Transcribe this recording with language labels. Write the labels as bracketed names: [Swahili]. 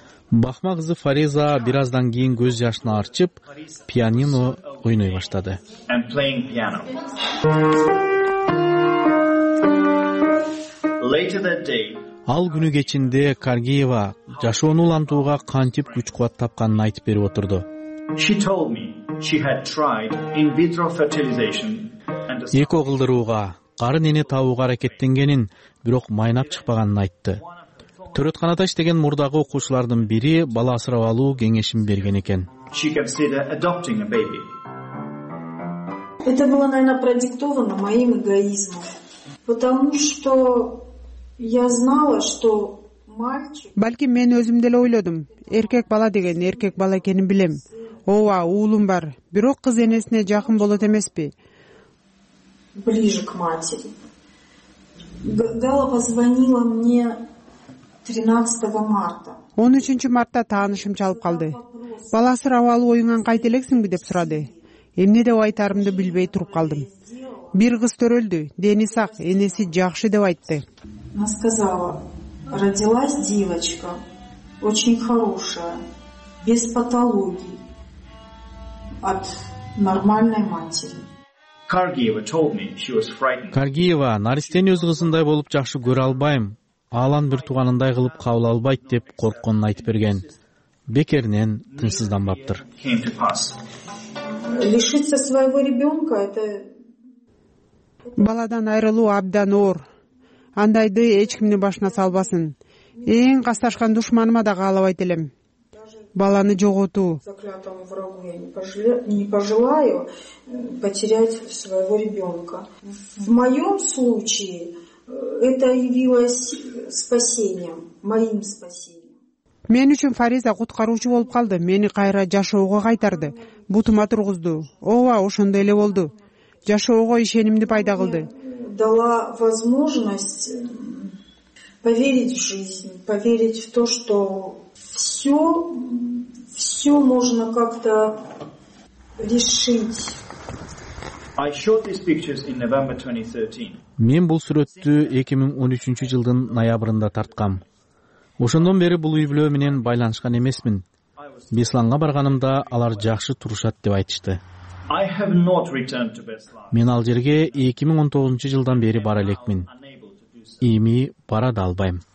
[Kyrgyz] Бахма кызы Фариза бир аздан кийин көз жашын арчып, пианино ойной баштады. Ал күнү кечинде Каргиева жашоону улантууга кантип күч кубат тапканын айтып берип отурду. [English] She told me she had tried in vitro fertilization and [Kyrgyz] эко кылдырууга, карын эне табууга аракеттенгенин, бирок майнап чыкпаганын айтты. Төрөтканада иштеген мурдагы окуучулардын бири бала асырап алуу кеңешин берген экен. [English] She considered adopting a baby. [Russian] Это было, наверное, продиктовано моим эгоизмом. Потому что я знала, что мальчик. [Kyrgyz] Балким мен өзүм деле ойлодум. Эркек бала деген эркек бала экенин билем. Ооба, уулум бар. Бирок кыз энесине жакын болот эмеспи? [Russian] Ближе к матери. Гала позвонила мне 13 марта. [Kyrgyz] 13 мартта таанышым чалып калды. Бала сурап алуу оюнан кайта элексиңби деп сурады. Эмне деп айтарымды билбей туруп калдым. Бир кыз төрөлдү, дени сак, энеси жакшы деп айтты. [Russian] Она сказала: "Родилась девочка, очень хорошая, без патологий. От нормальной матери." [English] Каргиева told me she was frightened. [Kyrgyz] Каргиева наристени өз кызындай болуп жакшы көрө албайм. Алан бир туугандай кылып кабыл албайт деп коркконун айтып берген. Бекеринен тынсызданбаптыр. [Russian] Лишиться своего ребёнка это [Kyrgyz] баладан айрылуу абдан оор. Андайды эч кимдин башына салбасын. Эң касташкан душманыма да каалабайт элем. Баланы жоготуу. [Russian] Заклятому врагу я не пожелаю потерять своего ребёнка. В моём случае это явилось спасением, моим спасением. [Kyrgyz] Мен үчүн Фариза куткаруучу болуп калды, мени кайра жашоого кайтарды, бутума тургузду. Ооба, ошондой эле болду. Жашоого ишенимди пайда кылды. [Russian] Дала возможность поверить в жизнь, поверить в то, что всё можно как-то решить. [English] I shot these pictures in November 2013. [Kyrgyz] Мен бул сүрөттү 2013 жылдын ноябрында тарткам. Ошондон бери бул үй-бүлө менен байланышкан эмесмин. Бесланга барганымда алар жакшы турушат деп айтышты. Мен ал жерге 2019 жылдан бери бара элекмин. Эми бара да албайм.